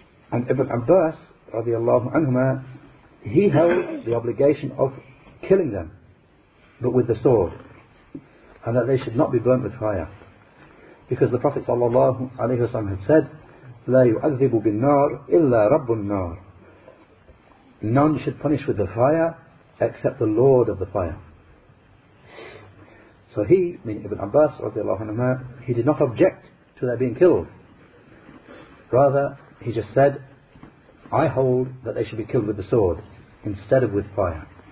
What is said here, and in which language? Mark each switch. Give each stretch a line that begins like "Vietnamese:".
English: And Ibn Abbas, radiallahu anhuma, he held the obligation of killing them, but with the sword, and that they should not be burnt with fire. Because the Prophet sallallahu alayhi wa sallam had said,
Arabic: لا يؤذب بالنار إلا رب النار.
English: None should punish with the fire except the Lord of the fire. So he, meaning Ibn Abbas, he did not object to their being killed. Rather, he just said, I hold that they should be killed with the sword instead of with fire.